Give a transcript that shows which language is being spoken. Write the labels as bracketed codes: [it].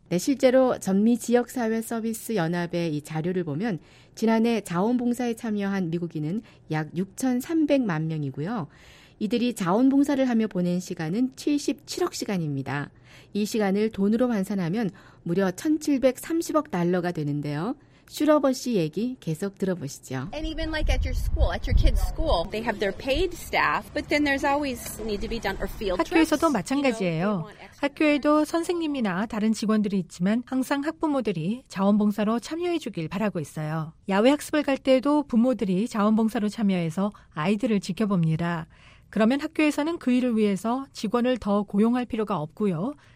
[ko] 네, 실제로 전미지역사회서비스연합의 이 자료를 보면 지난해 자원봉사에 참여한 미국인은 약 6,300만 명이고요. 이들이 자원봉사를 하며 보낸 시간은 77억 시간입니다. 이 시간을 돈으로 환산하면 무려 1,730억 달러가 되는데요. 슈러버 씨 얘기 계속 들어보시죠. [en] And even like at your school, at your kids' school, they have their paid staff, but then there's always need to be done or field trips. [ko] 학교에서도 마찬가지예요. 학교에도 선생님이나 다른 직원들이 있지만 항상 학부모들이 자원봉사로 참여해주길 바라고 있어요. 야외 학습을 갈 때도 부모들이 자원봉사로 참여해서 아이들을 지켜봅니다. 그러면 학교에서는 그 일을 위해서 직원을 더 고용할 필요가 없고요.